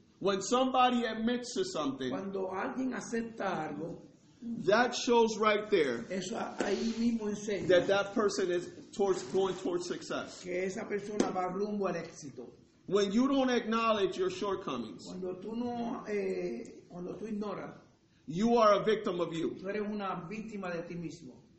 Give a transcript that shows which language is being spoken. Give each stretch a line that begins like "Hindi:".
English: When somebody admits to something,
Spanish: cuando alguien acepta algo,
English: that shows right there
Spanish: eso ahí mismo enseña
English: that person is going towards success.
Spanish: Que esa persona va rumbo al éxito.
English: When you don't acknowledge your shortcomings,
Spanish: cuando tú no, cuando tú ignoras,
English: you are a victim of you.
Spanish: Tú eres una víctima de ti mismo.